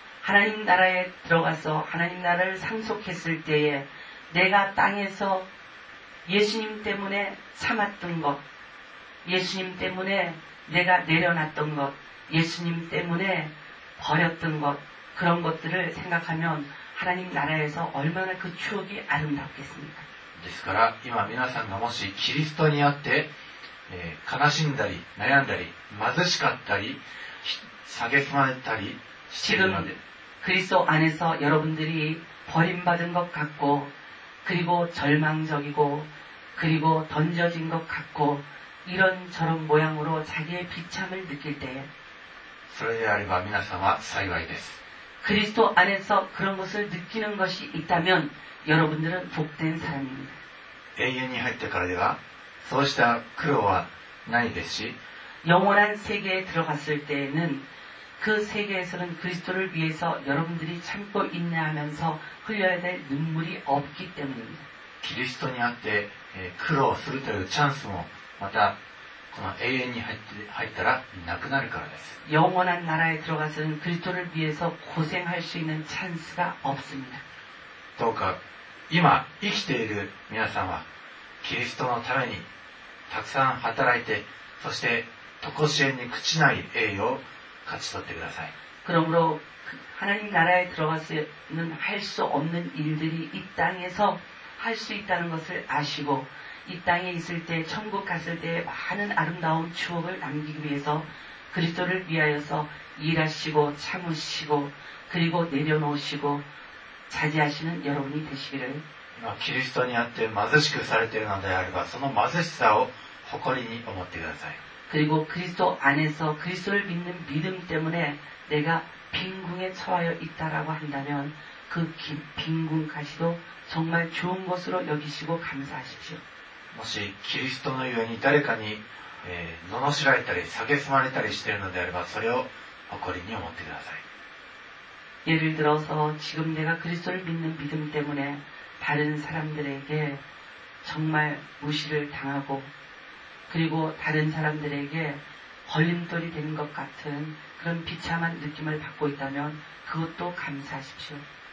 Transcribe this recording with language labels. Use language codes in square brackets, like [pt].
[ko] 하나님나라에들어가서하나님나라를상속했을때에내가땅에서예수님때문에참았던것예수님때문에내가내려놨던것예수님때문에버렸던것그런것들을생각하면하나님나라에서얼마나그추억이아름답겠습니까 [ja] ですから今皆さんがもしキリストにあって悲しんだり悩んだり貧しかったり下げすまれたりしているので [ko] 지금그리스도안에서여러분들이버림받은것같고그리고절망적이고그리고던져진것같고이런저런모양으로자기의비참을느낄때에 [ja] それであれば皆さんは幸いです [ko] 그리스도안에서그런것을느끼는것이있다면여러분들은복된사람입니다 [ja] 永遠に入ってからではそうした苦労はないですし [ko] 영원한세계에들어갔을때에는그세계에서는그리스도를위해서여러분들이참고인내하면서흘려야될눈물이없기때문입니다 [ja] キリストにあって苦労するというチャンスもまたこの永遠に入ったらなくなるからです [ko] 영원한나라에들어가서는그리스도를위해서고생할수있는찬스가없습니다 [ja] どうか今生きている皆さんはキリストのためにたくさん働いてそしてとこしえに朽ちない栄誉勝ち取ってください [ko] 그러므로하나님나라에들어가서는할수없는일들이이땅에서할수있다는것을아시고이땅에있을때천국갔을때많은아름다운추억을남기기위해서그리스도를위하여서일하시고참으시고그리고내려놓으시고자제하시는여러분이되시기를 [ja] キリストにあって貧しくされているのであればその貧しさを誇りに思ってください [ko] 그리고그리스도안에서그리스도를믿는믿음때문에내가빈궁에처하여있다라고한다면그빈궁가시도정말좋은것으로여기시고감사하십시오 [ja] もしキリストのように誰かに罵られたり蔑まれたりしているのであればそれを誇りに思ってください [ko] 예를들어서지금내가그리스도를믿는믿음때문에다른사람들에게정말무시를당하고그리고다른사람들에게걸림돌이되는것같은그런비참한느낌을받고있다면그것도감사하십시오